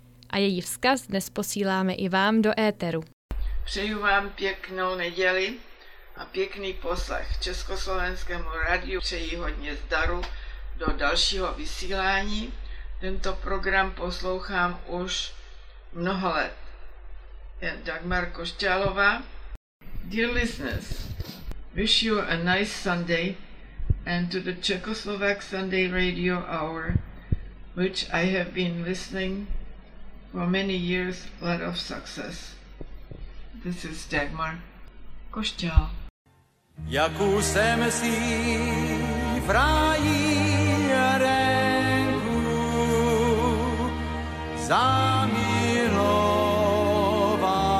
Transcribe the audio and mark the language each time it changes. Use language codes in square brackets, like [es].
[cs] A její vzkaz dnes posíláme i vám do éteru. Přeju vám pěknou neděli a pěkný poslech. Československému rádiu přeji hodně zdaru do dalšího vysílání. Tento program poslouchám už mnoho let. Dagmar Košťálová. [en] Dear listeners, wish you a nice Sunday and to the Czechoslovak Sunday Radio Hour, which I have been listening for many years, a lot of success. This is Dagmar Košťál. [cs] Jakou jsem si frajírenku zamiloval.